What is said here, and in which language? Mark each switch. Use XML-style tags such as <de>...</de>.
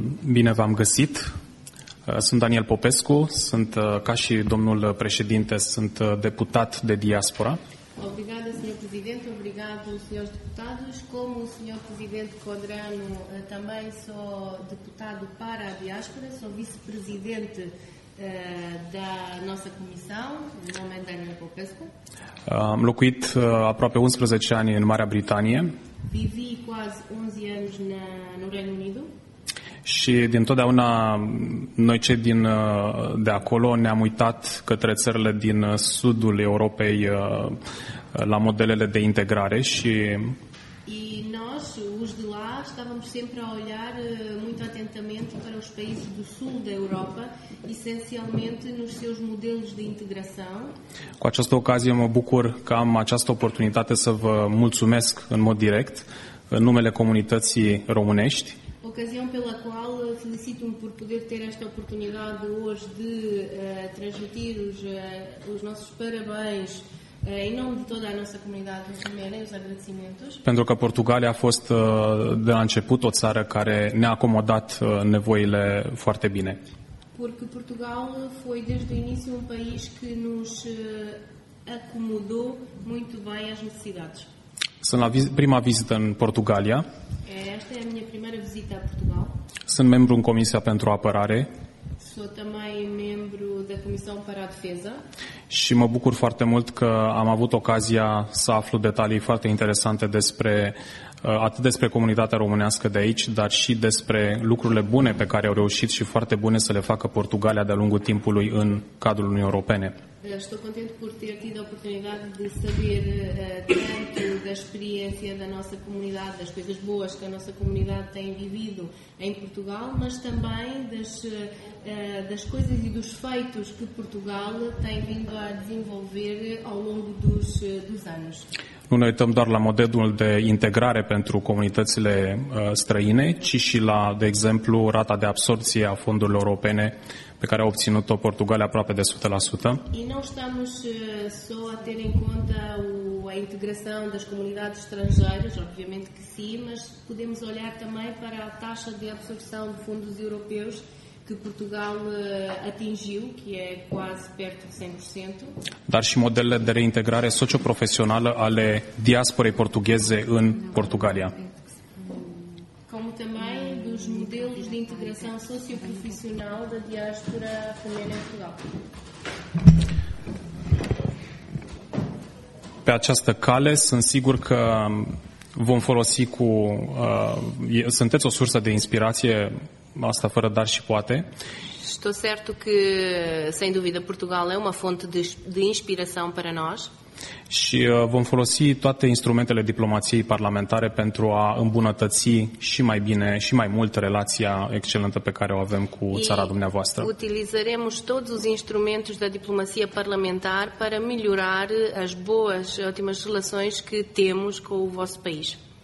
<ro>Bine v-am găsit. Sunt Daniel Popescu, sunt ca și domnul președinte, sunt deputat de diaspora.</ro> <pt>Obrigado, senhor presidente. Obrigado, senhores deputados. Como o senhor presidente Codreanu, também sou deputado para a diáspora, sou vice-presidente da nossa comissão, meu nome é Daniel Popescu.</pt> <ro>Am locuit aproape 11 ani în Marea Britanie.</ro> <pt>Vivi quase 11</pt> <ro>ani în</ro> <pt>Reino Unido.</pt> <ro>Și din totdeauna noi cei din de acolo ne-am uitat către țările din sudul Europei la modelele de integrare și</ro> <pt>nós, os de lá, estávamos sempre a olhar muito atentamente para os países do sul da Europa, essencialmente nos seus modelos de integração.</pt> <ro>Cu această ocazie mă bucur că am această oportunitate să vă mulțumesc în mod direct în numele comunității românești.</ro> <pt>Ocasião pela qual felicito-me por poder ter esta oportunidade hoje de transmitir os nossos parabéns em nome de toda a nossa comunidade romena e os agradecimentos.</pt> <ro>Pentru că Portugalia a fost de la început o țară care ne-a acomodat nevoile foarte bine.</ro> <pt>Porque Portugal foi desde o início um país que nos acomodou muito bem às necessidades.</pt> <ro>Sunt la prima vizită în Portugalia.</ro> <pt>Esta é a minha primeira visita a Portugal.</pt> <ro>Sunt membru în Comisia pentru Apărare.</ro> <pt>Sou também membro da Comissão para a Defesa.</pt> <ro>Și mă bucur foarte mult că am avut ocazia să aflu detalii foarte interesante despre atât despre comunitatea românească de aici, dar și despre lucrurile bune pe care au reușit și foarte bune să le facă Portugalia de-a lungul timpului în cadrul Uniunii Europene.</ro> <pt>Estou contente por ter tido a oportunidade de saber tanto da experiência da nossa comunidade, das coisas boas que a nossa comunidade tem vivido em Portugal, mas também das coisas e dos feitos que Portugal tem vindo a desenvolver ao longo dos anos.</pt> <ro>Nu ne uităm doar la modelul de integrare pentru comunitățile străine, ci și la, de exemplu, rata de absorție a fondurilor europene pe care a obținut-o Portugalia aproape de 100%.</ro> <pt>E</pt> <ro>nu stăm</ro> <pt>só a ter</pt> <ro>în</ro> <pt>conta a integração das comunidades estrangeiras, obviamente que sim, mas podemos olhar também para a taxa de absorção de fundos europeus que Portugal atingiu, que é quase perto de 100%.</pt> <ro>Dar și modelele de reintegrare socioprofesională ale diasporei portugheze în Portugalia.</ro> <pt>Como também dos modelos de integração socioprofissional da diáspora romena em Portugal.</pt> <ro>Pe această cale sunt sigur că vom folosi cu sunteți o sursă de inspirație. Asta fără dar și poate.</ro> <pt>Estou certo que, sem dúvida, Portugal é uma fonte de inspiração para nós.</pt> <ro>Și vom folosi toate instrumentele diplomației parlamentare pentru a îmbunătăți și mai bine și mai mult relația excelentă pe care o avem cu țara dumneavoastră.</ro> <pt>Utilizaremos todos os instrumentos da diplomacia parlamentar para melhorar as boas, ótimas relações que temos com o vosso país.</pt>